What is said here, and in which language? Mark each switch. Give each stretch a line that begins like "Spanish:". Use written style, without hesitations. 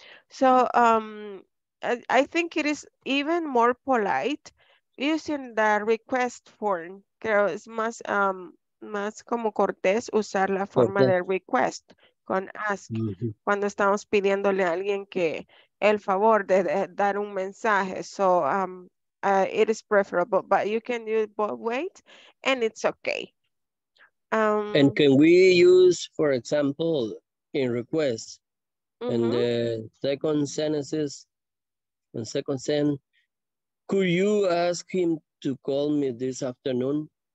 English: So I think it is even more polite using the request form.
Spanish: Creo es más, más como cortés usar la forma de request con ask. Cuando estamos pidiéndole a alguien que... el favor de dar un mensaje.
English: So it is preferable, but you can use both ways and it's okay. And can we use, for example, in request, in the second sentences, in second sentence, could you ask him to call me this afternoon?